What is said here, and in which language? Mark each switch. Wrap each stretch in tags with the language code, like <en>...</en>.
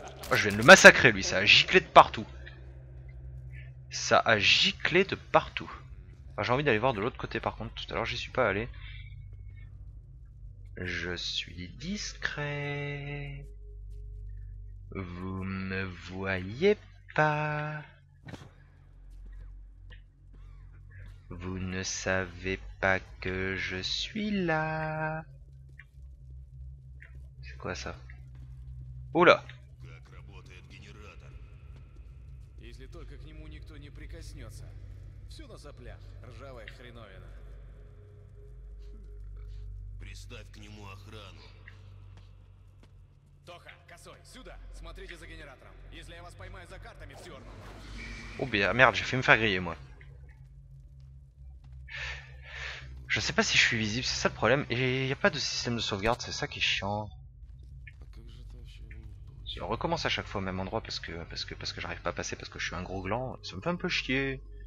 <fr>Oh, je viens de le massacrer lui, ça a giclé de partout, enfin, j'ai envie d'aller voir de l'autre côté par contre, tout à l'heure j'y suis pas allé, je suis discret. Vous me voyez pas. Vous ne savez pas que je suis là. C'est quoi ça? Oula!</fr> <ru>Как работает генератор? Если только к нему никто не прикоснется. Все на соплях, ржавая хреновина. Приставь к нему охрану. Тоха, косой, сюда! Смотрите за генератором. Если я вас поймаю за картами, в тюрьму.</ru> <fr>О, merde, j'ai fait me faire griller, moi. Je sais pas si je suis visible, c'est ça le problème. Et y a pas de système de sauvegarde, c'est ça qui est chiant. On recommence à chaque fois au même endroit parce que j'arrive pas à passer parce que je suis un gros gland. Ça me fait un peu chier.</fr>